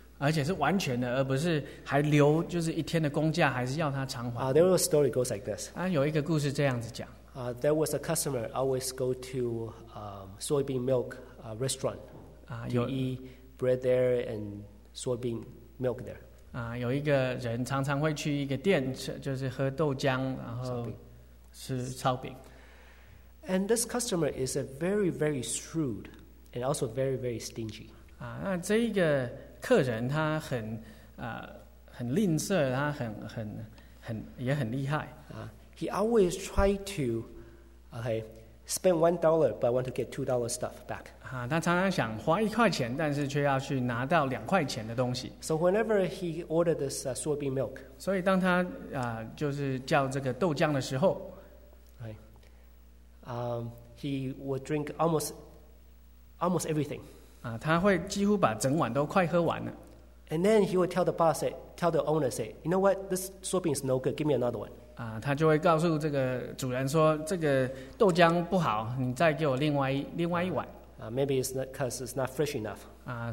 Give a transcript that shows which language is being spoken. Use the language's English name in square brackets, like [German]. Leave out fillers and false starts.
[Chinese] 而且是完全的，而不是还留就是一天的工价，还是要他偿还。 [English] There was a story goes like this. [Chinese] 有一个故事这样子讲。 [English] There was a customer always go to soybean milk restaurant to eat bread there and soybean milk there. [Chinese] 有一个人常常会去一个店，就是喝豆浆，然后吃烧饼。 [English] And this customer is a very, very shrewd, and also very, very stingy. [Chinese] 那这一个客人他很吝啬，他很也很厉害。 [English] He always tried to, okay, spend $1, but want to get $2 stuff back. [Chinese] 他常常想花一块钱，但是却要去拿到两块钱的东西。 [English] So whenever he ordered this soybean milk, [Chinese] 所以当他就是叫这个豆浆的时候， [English] he would drink almost everything. [Chinese] 他会几乎把整碗都快喝完了。 [English] And then he would tell the owner, you know what, this soybean is no good, give me another one. [Chinese] 他就会告诉这个主人说，这个豆浆不好，你再给我另外一碗。 [English] Maybe it's not because it's not fresh enough.